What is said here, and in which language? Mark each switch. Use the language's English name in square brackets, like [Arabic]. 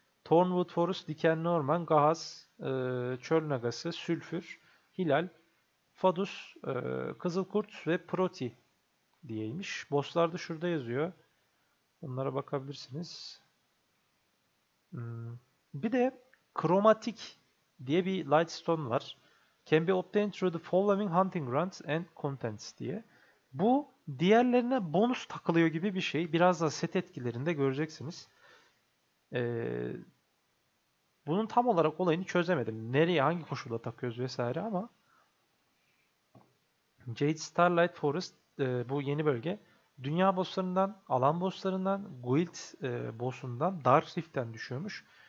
[Turkish] Thornwood Forest, Dikenli Orman, Gahaz, Çöl Nagası, Sülfür, Hilal, Fadus, Kızılkurt ve Proti diyeymiş. Bosslar da şurada yazıyor. Bunlara bakabilirsiniz. Bir de Chromatic diye bir Lightstone var. [English] Can be obtained through the following hunting grounds and contents [Turkish] diye. Bu diğerlerine bonus takılıyor gibi bir şey. Biraz da set etkilerinde göreceksiniz. Bunun tam olarak olayını çözemedim. Nereye, hangi koşulda takıyoruz vesaire ama Jade Starlight Forest bu yeni bölge dünya bosslarından, alan bosslarından, guild bossundan, Dark Rift'ten düşüyormuş.